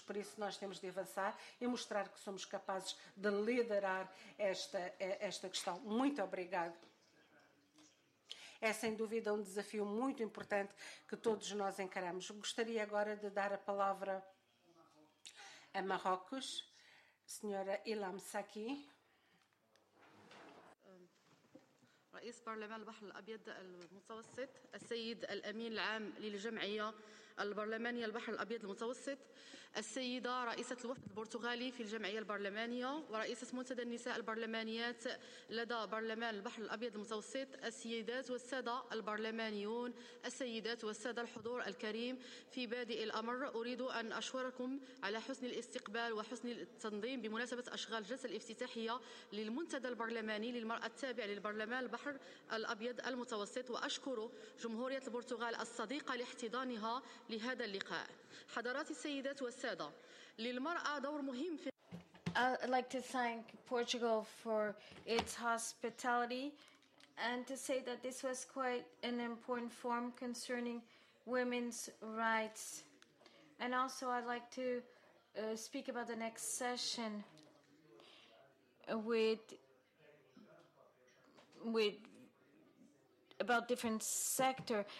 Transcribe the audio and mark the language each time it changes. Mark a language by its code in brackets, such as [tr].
[pt] Por isso, nós temos de avançar e mostrar que somos capazes de liderar esta questão. Muito obrigada. É, sem dúvida, um desafio muito importante que todos nós encaramos. Gostaria agora de dar a palavra a Marrocos, senhora Ilham Saki. [ar] رئيس برلمان البحر الأبيض المتوسط السيد الأمين العام للجمعية البرلمانية البحر الأبيض المتوسط السيدة رئيسة الوفد البرتغالي في الجمعية البرلمانية ورئيسة منتدى النساء البرلمانيات لدى برلمان البحر الأبيض المتوسط السيدات والسادة البرلمانيون السيدات والسادة الحضور الكريم في بادئ الأمر أريد أن أشكركم على حسن الاستقبال وحسن التنظيم بمناسبة أشغال الجلسة الافتتاحية للمنتدى البرلماني للمرأة التابع للبرلمان البحر الأبيض المتوسط وأشكر جمهورية البرتغال الصديقة لاحتضانها لهذا اللقاء. حضرات السيدات والسادة، للمرأة دور مهم في [en] I'd like to thank Portugal for its hospitality and to say that this was quite an important forum concerning women's rights. And also I'd like to speak about the next session with about different sector.